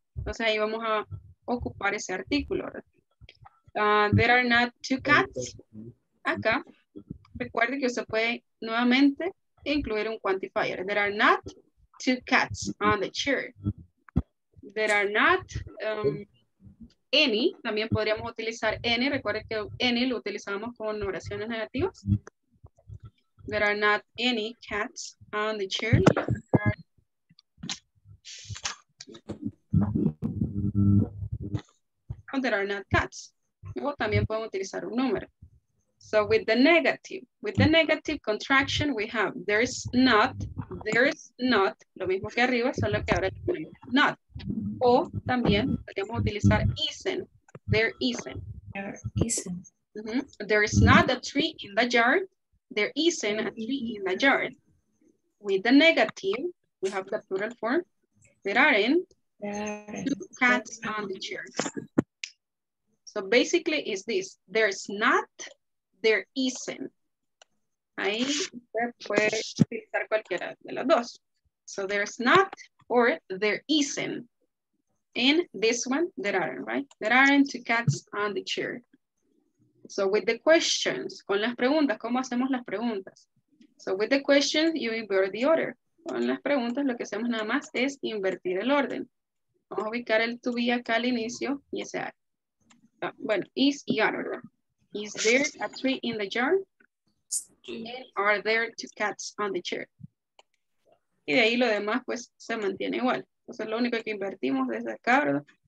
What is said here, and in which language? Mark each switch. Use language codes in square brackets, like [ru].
[es] Entonces ahí vamos a ocupar ese artículo, ¿verdad? [en] There are not two cats. [es] Acá. Recuerde que usted puede nuevamente incluir un quantifier. [en] There are not two cats on the chair. There are not any. [es] También podríamos utilizar any. Recuerde que any lo utilizamos con oraciones negativas. [en] There are not any cats on the chair. There are not cats. [es] O también podemos utilizar un número. [en] So with the negative contraction, we have there's not, [es] lo mismo que arriba, solo que ahora not. O también podemos utilizar isn't, there isn't. [en] There isn't. Mm-hmm. There is not a tree in the yard, there isn't a tree in the yard. With the negative, we have the plural form, there aren't two cats on the chair. So basically is this, there's not, there isn't. [es] Ahí usted puede utilizar cualquiera de las dos. [en] So there's not or there isn't. In this one, there aren't, right? There aren't two cats on the chair. So with the questions, [es] con las preguntas, ¿cómo hacemos las preguntas? [en] So with the questions, you invert the order. [es] Con las preguntas, lo que hacemos nada más es invertir el orden. Vamos a ubicar el to be acá al inicio y ese are. Bueno, is y are, ¿verdad? [en] Is there a tree in the jar? And are there two cats on the chair? [es] Y de ahí lo demás pues se mantiene igual. Entonces lo único que invertimos es acá, ¿verdad?